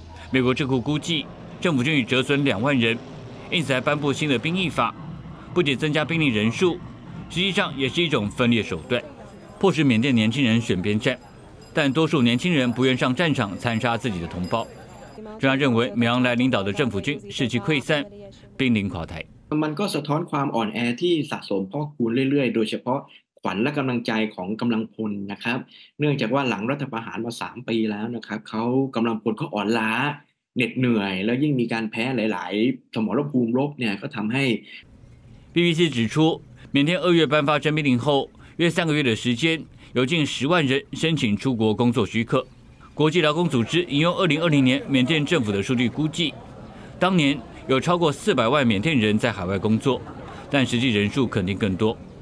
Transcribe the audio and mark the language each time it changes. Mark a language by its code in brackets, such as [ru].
[zh] 美国智库估计，政府军已折损2万人，因此还颁布新的兵役法，不仅增加兵力人数，实际上也是一种分裂手段，迫使缅甸年轻人选边站。但多数年轻人不愿上战场残杀自己的同胞，仍然认为美昂莱领导的政府军士气溃散，濒临垮台。 [th] มันก็สะท้อนความอ่อนแอที่สะสมพอกคูณเรื่อยๆโดยเฉพาะขวัญและกำลังใจของกำลังพลนะครับเนื่องจากว่าหลังรัฐประหารมา3 ปีแล้วนะครับเขากำลังพลเขาอ่อนล้าเหน็ดเหนื่อยแล้วยิ่งมีการแพ้หลายๆสมรภูมิรบเนี่ยก็ทำให้ [zh] BBC 指出，缅甸2月颁发征兵令后，约3个月的时间，有近10万人申请出国工作许可。国际劳工组织引用2020年缅甸政府的数据估计，当年有超过400万缅甸人在海外工作，但实际人数肯定更多。